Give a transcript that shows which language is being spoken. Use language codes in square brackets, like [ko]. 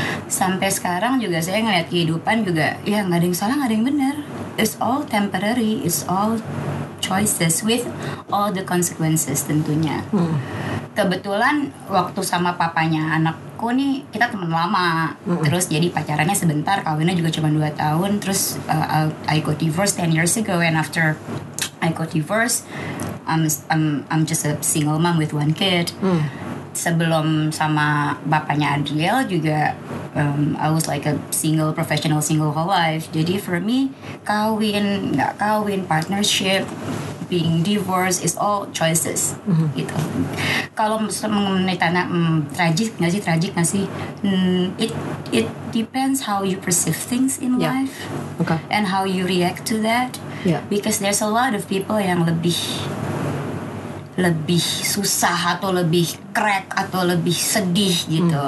[id] Sampai sekarang juga saya ngeliat kehidupan juga, ya nggak ada yang salah, nggak ada yang benar. [en] It's all temporary. It's all choices with all the consequences tentunya. Mm-hmm. [id] Kebetulan waktu sama papanya anakku nih, kita teman lama. Mm-hmm. Terus jadi pacarannya sebentar, kawinnya juga cuma 2 tahun. [en] Terus I got divorced 10 years ago, and after I got divorced, I'm just a single mom with one kid. Mm. [id] Sebelum sama bapaknya Adriel juga, [en] I was like a single professional single whole life. Jadi for me, [id] kawin, gak kawin, [en] partnership, being divorced, is all choices. Mm-hmm. Gitu. [id] Kalau mengenai tanya, tragic gak sih? [en] It depends how you perceive things in life. Okay. And how you react to that. Yeah. Because there's a lot of people [id] yang lebih susah atau lebih crack atau lebih sedih gitu.